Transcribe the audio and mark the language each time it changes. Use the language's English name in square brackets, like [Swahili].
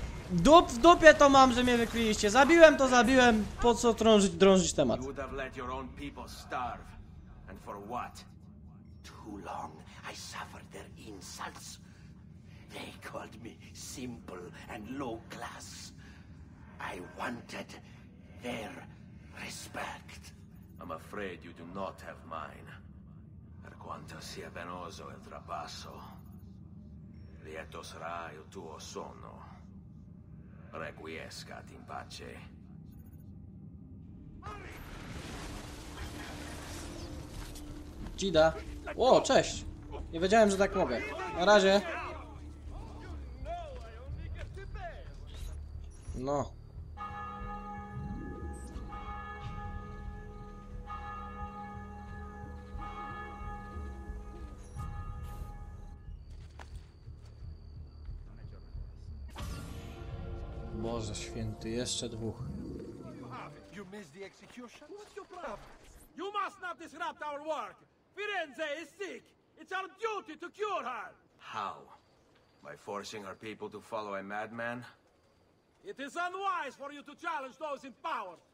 [Polish] Dup w dupie to mam, że mnie wykryliście. Zabiłem to, zabiłem. Po co drążyć temat? [English] You would have let your own people starve. And for what? Too long I suffered their insults. They called me simple and low class. I wanted their respect. I'm afraid you do not have mine. [Italian] Per quanto sia penoso il trapasso, lieto sarà il tuo sonno. [Latin] Requiescat in pace. [Polish] Gida. O, cześć. Nie wiedziałem, że tak mogę. Na razie. No. Boże święty, jeszcze dwóch. [English] You missed the execution? What's your problem? You must not disrupt our work. Firenze is sick. It's our duty to cure her. How? By forcing our people to follow a madman? It is unwise for you to challenge those in power.